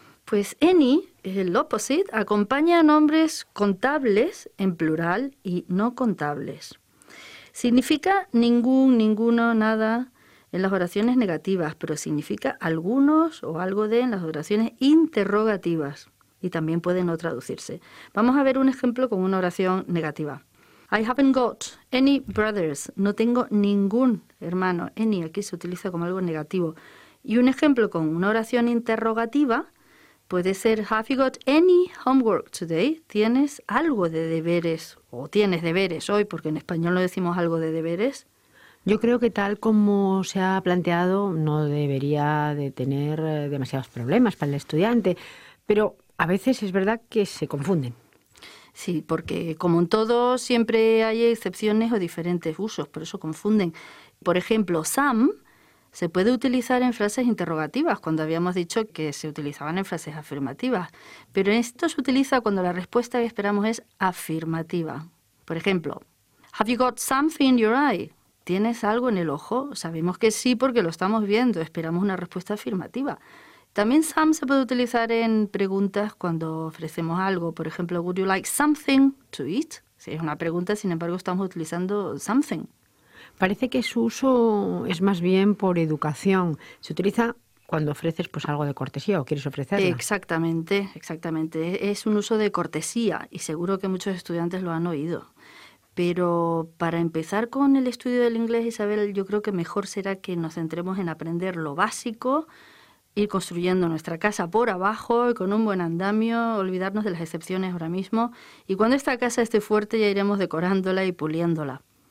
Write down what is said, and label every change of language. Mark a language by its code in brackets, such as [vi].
[es] Pues any, el opposite, acompaña a nombres contables en plural y no contables. Significa ningún, ninguno, nada en las oraciones negativas, pero significa algunos o algo de en las oraciones interrogativas y también puede no traducirse. Vamos a ver un ejemplo con una oración negativa. [en] I haven't got any brothers. [es] No tengo ningún hermano. Any aquí se utiliza como algo negativo. Y un ejemplo con una oración interrogativa puede ser [en] Have you got any homework today? [es] ¿Tienes algo de deberes o tienes deberes hoy? Porque en español no decimos algo de deberes. Yo creo que tal como se ha planteado no debería de tener demasiados problemas para el estudiante. Pero a veces es verdad que se confunden. Sí, porque como en todo siempre hay excepciones o diferentes usos, por eso confunden. Por ejemplo, some se puede utilizar en frases interrogativas, cuando habíamos dicho que se utilizaban en frases afirmativas. Pero esto se utiliza cuando la respuesta que esperamos es afirmativa. Por ejemplo, [en] have you got something in your eye? [es] ¿Tienes algo en el ojo? Sabemos que sí porque lo estamos viendo, esperamos una respuesta afirmativa. También some se puede utilizar en preguntas cuando ofrecemos algo. Por ejemplo, [en] would you like something to eat? [es] Si es una pregunta, sin embargo, estamos utilizando something. Parece que su uso es más bien por educación. Se utiliza cuando ofreces pues algo de cortesía o quieres ofrecerlo. Exactamente, exactamente. Es un uso de cortesía y seguro que muchos estudiantes lo han oído. Pero para empezar con el estudio del inglés, Isabel, yo creo que mejor será que nos centremos en aprender lo básico, ir construyendo nuestra casa por abajo y con un buen andamio, olvidarnos de las excepciones ahora mismo. Y cuando esta casa esté fuerte ya iremos decorándola y puliéndola.